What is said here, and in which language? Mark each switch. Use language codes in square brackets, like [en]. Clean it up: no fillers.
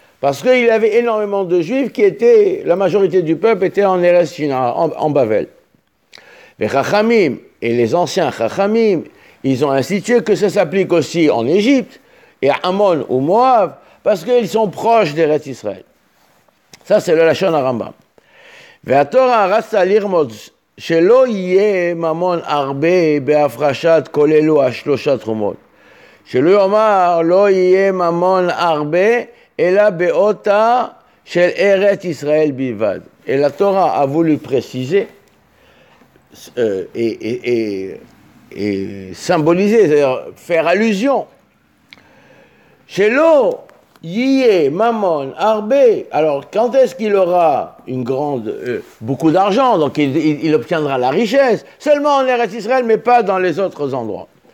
[fr] Parce qu'il y avait énormément de juifs qui étaient, la majorité du peuple était en Eretz Shinar, en Bavel. Les Chachamim et les anciens Chachamim, ils ont institué que ça s'applique aussi en Égypte et à Ammon ou Moab, parce qu'ils sont proches d'Eretz Israël. Ça, c'est le Lashon HaRambam. Et la Torah a rassa l'Irmod. [he] שלא יהיה ממון הרבה בהפרשת כל אלו השלושה תרומות. שלא יאמר, לא יהיה ממון הרבה, אלא באותה של ארץ ישראל בלבד. [fr] Et la Torah a voulu préciser et symboliser, c'est-à-dire faire allusion. [he] שלא יהיה ממון הרבה. [fr] Alors, quand est-ce qu'il aura une grande, beaucoup d'argent, donc il obtiendra la richesse, seulement en Eretz Israël, mais pas dans les autres endroits.